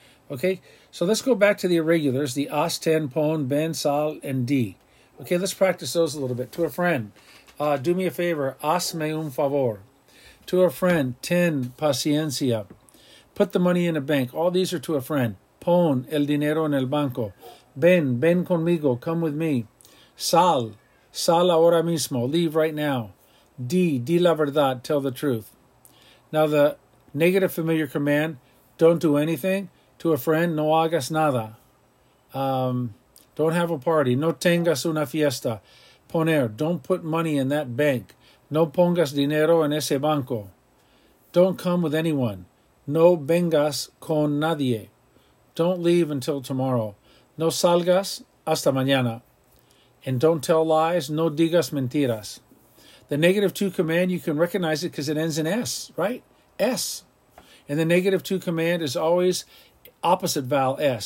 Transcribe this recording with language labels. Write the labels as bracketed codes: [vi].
[en] Okay, so let's go back to the irregulars, the as, ten, pon, ben, sal, and di. Okay, let's practice those a little bit. To a friend. Do me a favor, [es] hazme un favor. [en] To a friend, [es] ten paciencia. [en] Put the money in a bank. All these are to a friend. [es] Pon el dinero en el banco. Ven, ven conmigo, [en] come with me. [es] Sal, sal ahora mismo, [en] leave right now. [es] Di, di la verdad, [en] tell the truth. Now the negative familiar command, don't do anything. To a friend, [es] no hagas nada. [en] Don't have a party. [es] No tengas una fiesta. Poner, [en] don't put money in that bank. [es] No pongas dinero en ese banco. [en] Don't come with anyone. [es] No vengas con nadie. [en] Don't leave until tomorrow. [es] No salgas hasta mañana. [en] And don't tell lies. [es] No digas mentiras. [en] The negative two command, you can recognize it because it ends in S, right? S. And the negative two command is always opposite vowel S.